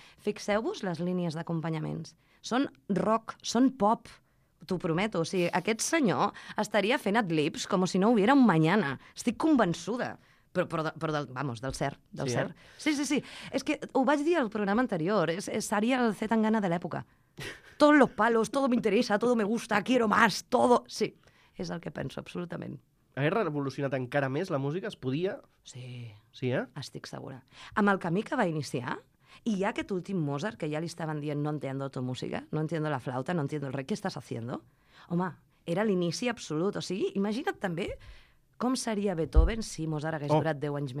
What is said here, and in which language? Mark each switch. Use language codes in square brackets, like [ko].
[ca] Fixeu-vos les línies d'acompanyaments. Són rock, són pop, t'ho prometo. O sigui, aquest senyor estaria fent adlibs com si no ho [es] viera un mañana. [ca] Estic convençuda. Però del, vamos, del cert, del sí, cert. Sí. És que ho vaig dir al programa anterior. Seria el C. Tangana de l'època. [es] Todos los palos, todo me interesa, todo me gusta, quiero más, todo... [ca] Sí, és el que penso, absolutament. Hauria revolucionat encara més la música? Es podia? Sí. Sí, eh? Estic segura. Amb el camí que va iniciar, i hi ha aquest últim Mozart que ja li estaven dient [es] no entiendo tu música, no entiendo la flauta, no entiendo el rec, ¿qué estás haciendo? [ca] Home, era l'inici absolut. O sigui, imagina't també com seria Beethoven si Mozart hagués durat 10 anys més.